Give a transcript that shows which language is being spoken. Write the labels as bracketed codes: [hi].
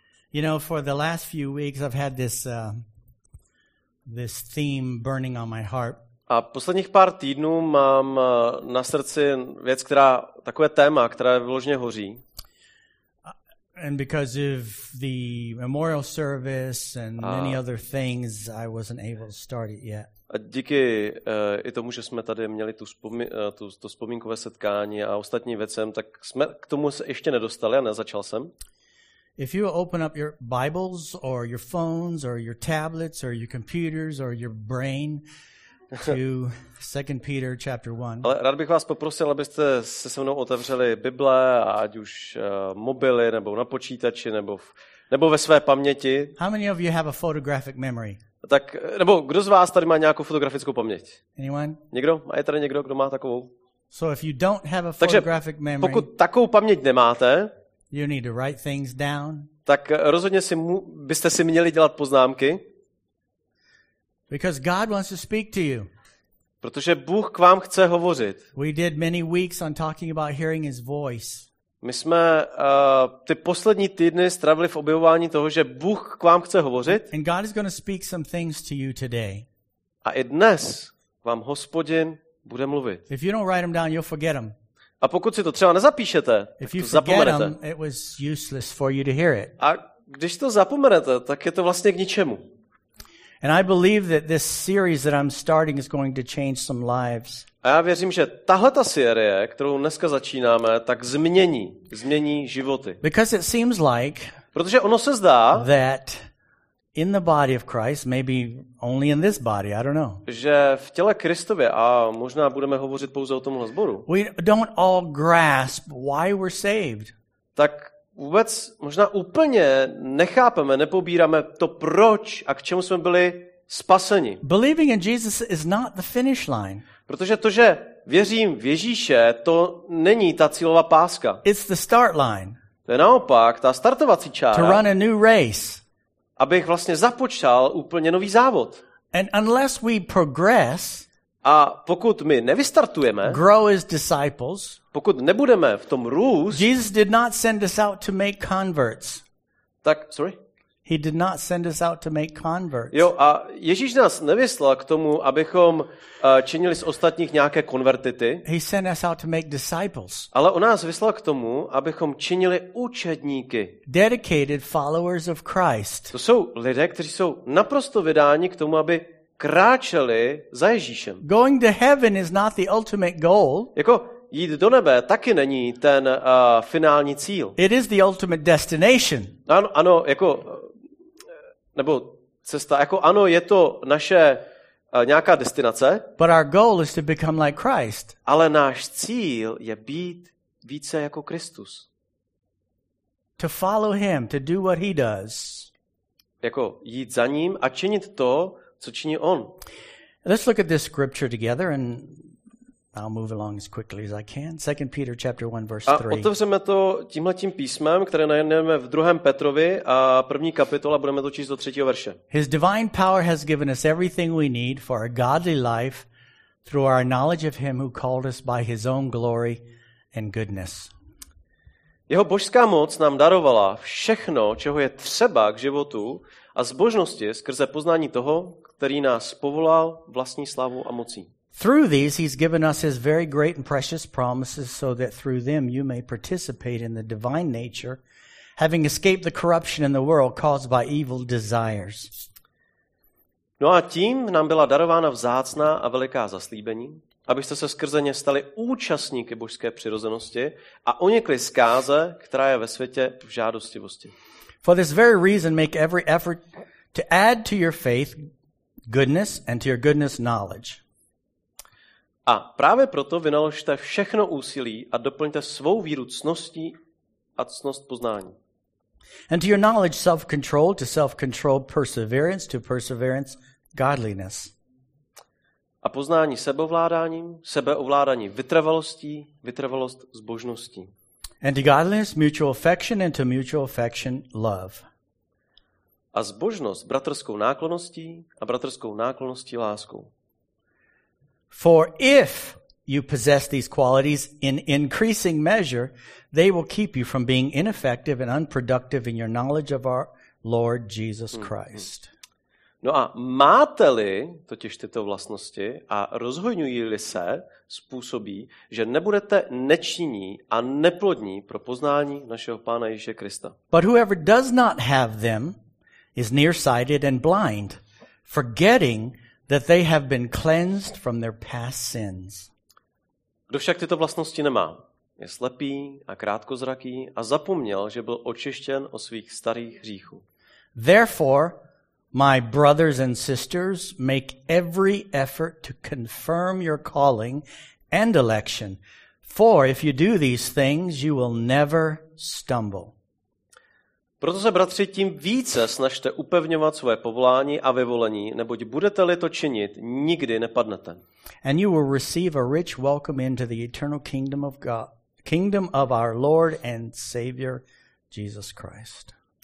[en] You know, for the last few weeks, I've had this theme burning on my heart. [cs] A posledních pár týdnů mám na srdci věc, která takové téma, která vložně hoří. [en] And because of the memorial service and many other things, I wasn't able to start it yet. [cs] A díky i tomu, že jsme tady měli to vzpomínkové setkání a ostatním věcem, tak jsme k tomu se ještě nedostali a nezačal jsem. [en] If you open up your Bibles or your phones or your tablets or your computers or your brain to 2 Peter chapter 1. [cs] Ale rád bych vás poprosil, abyste se se mnou otevřeli Bible, ať už mobily nebo na počítači nebo ve své paměti. [en] How many of you have a photographic memory? [cs] Tak nebo kdo z vás tady má nějakou fotografickou paměť? [en] Anyone? [cs] Někdo? A je tady někdo, kdo má takovou? [en] So if you don't have a photographic memory. [cs] Takže pokud takovou paměť nemáte, [en] you need to write things down. [cs] Tak rozhodně byste si měli dělat poznámky. [en] Because God wants to speak to you. [cs] Protože Bůh k vám chce hovořit. [en] We did many weeks on talking about hearing his voice. [cs] My jsme ty poslední týdny strávili v objevování toho, že Bůh k vám chce hovořit. [en] And God is going to speak some things to you today. [cs] A i dnes vám Hospodin bude mluvit. [en] If you don't write them down, you'll forget them. [cs] A pokud si to třeba nezapíšete, tak to zapomenete. [en] It was useless for you to hear it. [cs] A když to zapomenete, tak je to vlastně k ničemu. [en] And I believe that this series that I'm starting is going to change some lives. [cs] A já věřím, že tahle ta série, kterou dneska začínáme, tak změní životy. [en] Because it seems like, [cs] protože ono se zdá, [en] that in the body of Christ, maybe only in this body, I don't know. [cs] Že v těle Kristově, a možná budeme hovořit pouze o tomhle sboru. [en] We don't all grasp why we're saved. [cs] Tak vůbec možná úplně nechápeme, nepobíráme to, proč a k čemu jsme byli spaseni. [en] Believing in Jesus is not the finish line. [cs] Protože to, že věřím v Ježíše, to není ta cílová páska. [en] It's the start line. [cs] To je naopak ta startovací čára. [en] To run a new race. [cs] Abych vlastně započal úplně nový závod. [en] And unless we progress, [cs] a pokud my nevystartujeme, [en] grow as disciples, [cs] pokud nebudeme v tom růst, [en] Jesus did not send us out to make converts. [cs] Tak, sorry? [en] He did not send us out to make converts. [cs] Jo, a Ježíš nás nevyslal k tomu, abychom činili z ostatních nějaké konvertity. [en] He sent us out to make disciples. [cs] Ale on nás vyslal k tomu, abychom činili učedníky. [en] Dedicated followers of Christ. [cs] To jsou lidé, kteří jsou naprosto vydáni k tomu, aby kráčeli za Ježíšem. [en] Going to heaven is not the ultimate goal. [cs] Jako jít do nebe taky není ten finální cíl. [en] It is the ultimate destination. [cs] Ano, ano, jako nebo cesta, jako ano, je to naše nějaká destinace. [en] But our goal is to become like Christ. [cs] Ale náš cíl je být více jako Kristus. [en] To follow him, to do what he does. [cs] Jako jít za ním a činit to, co činí on. [en] Let's look at this scripture together and I'll move along as quickly as I can. 2 Peter chapter 1 verse 3. [cs] A otevřeme to tímhletím písmem, které najdeme v 2. Petrovi a první kapitola, budeme to číst do 3. verše. [en] His divine power has given us everything we need for a godly life through our knowledge of him who called us by his own glory and goodness. [cs] Jeho božská moc nám darovala všechno, čeho je třeba k životu a zbožnosti skrze poznání toho, který nás povolal vlastní slavou a mocí. [en] Through these he's given us his very great and precious promises so that through them you may participate in the divine nature having escaped the corruption in the world caused by evil desires. [cs] No a tím nám byla darována vzácná a veliká zaslíbení, abyste se skrze ně stali účastníky božské přirozenosti a unikli zkáze, která je ve světě v žádostivosti. [en] For this very reason make every effort to add to your faith goodness and to your goodness knowledge. [cs] A právě proto vynaložte všechno úsilí a doplňte svou víru cností a cnost poznání. [en] And to your knowledge self-control, to self-control perseverance, to perseverance godliness. [cs] A poznání sebeovládáním, sebeovládání vytrvalostí, vytrvalost zbožností. [en] And to godliness mutual affection, and to mutual affection love. [cs] A zbožnost bratrskou náklonností a bratrskou náklonností láskou. [en] For if you possess these qualities in increasing measure, they will keep you from being ineffective and unproductive in your knowledge of our Lord Jesus Christ. [cs] No a máte-li totiž tyto vlastnosti a rozhojňují-li se, způsobí, že nebudete nečinní a neplodní pro poznání našeho Pána Ježíše Krista. [en] But whoever does not have them is nearsighted and blind, forgetting that they have been cleansed from their past sins. [cs] Kdo však tyto vlastnosti nemá, je slepý a krátkozraký a zapomněl, že byl očištěn od svých starých hříchů. [en] Therefore, my brothers and sisters, make every effort to confirm your calling and election. For if you do these things, you will never stumble. [cs] Proto se, bratři, tím více snažte upevňovat svoje povolání a vyvolení, neboť budete-li to činit, nikdy nepadnete. [en] And you will receive a rich welcome into the eternal kingdom of God, kingdom of our Lord and Savior Jesus Christ.